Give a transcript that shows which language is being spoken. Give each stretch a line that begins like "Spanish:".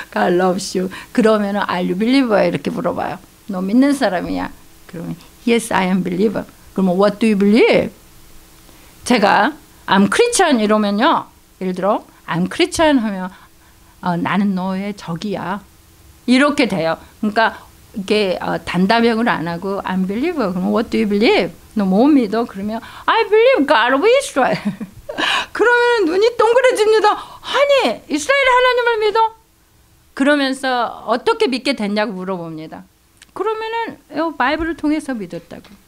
Korean: 갈러브슈 그러면은
English: Are you believer
Korean: 이렇게 물어봐요. 너 믿는 사람이야?
English: 그러면 Yes, I am believer. 그러면 What do you believe?
Korean: 제가
English: I'm Christian
Korean: 이러면요. 예를 들어 I'm Christian 하면 나는 너의 적이야. 이렇게 돼요. 그러니까 이게 단답형을 안 하고
English: I'm believer. 그럼 What do you believe?
Korean: 너 뭐 믿어?
English: 그러면 I believe God of Israel.
Korean: 그러면 눈이 동그래집니다. 아니 이스라엘 하나님을 믿어? 그러면서 어떻게 믿게 됐냐고 물어봅니다. 그러면은 바이블을 통해서 믿었다고.